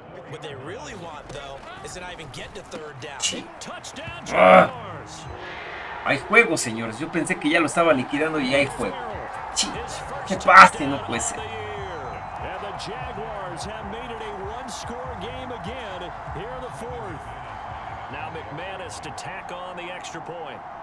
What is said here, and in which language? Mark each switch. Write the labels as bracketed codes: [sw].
[en] What they really want, though, is to not even get to third down. [es] Sí. [en] Touchdown, Jaguars! [es] Hay juego, señores. Yo pensé que ya lo estaba liquidando y hay juego. Sí. ¡Qué pase! No puede ser. [en] And the Jaguars have made it a one-score game again here in the fourth. Now McManus to tack on the extra point.